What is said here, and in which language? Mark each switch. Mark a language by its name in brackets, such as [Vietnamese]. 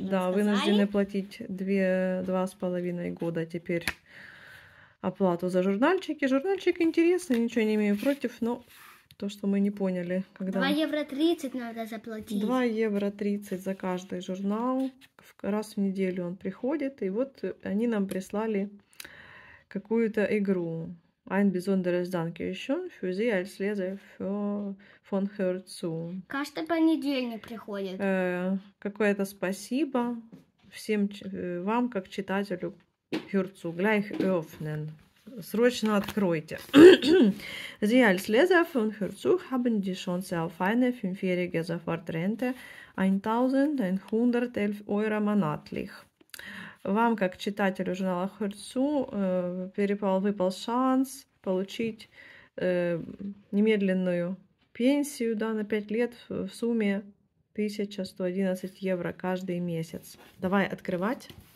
[Russian] да, вынуждены платить 2,5 года теперь оплату за журнальчики. Журнальчик интересный, ничего не имею против, но то, что мы не поняли, когда... 2,30 евро надо заплатить. 2,30 евро за каждый журнал. Раз в неделю он приходит. И вот они нам прислали какую-то игру. [German] Ein besonderes Dankeschön für Sie als Leser von Herzu. [Russian] Каждый понедельник приходит. Какое-то спасибо всем вам, как читателю Herzu. [German] Gleich öffnen. [Russian] Срочно откройте. [German] Sie als Leser von Herzu haben die Chance auf eine 5-jährige Sofortrente 1111 Euro monatlich. [Russian] Вам, как читателю журнала Herzu, выпал шанс получить немедленную пенсию, да, на 5 лет в сумме 1111 евро каждый месяц. Давай открывать.